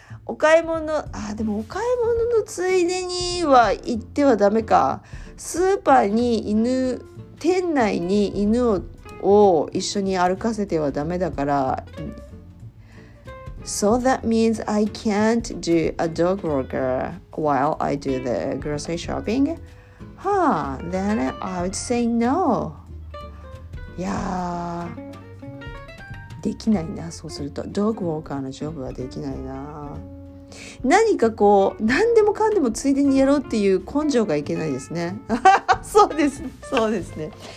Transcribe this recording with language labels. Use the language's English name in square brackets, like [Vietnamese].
[Japanese] お買い物、あ、でもお買い物のついでには行ってはダメか。スーパーに犬、店内に犬 を一緒に歩かせてはダメだから。 [English] So that means I can't do a dog walker while I do the grocery shopping? Huh, then I would say no. [Japanese] いやできないな、そうすると。 Dog walker のジョブはできないな。何かこう何でもかんでもついでにやろうっていう根性がいけないですね。そうですそうですね。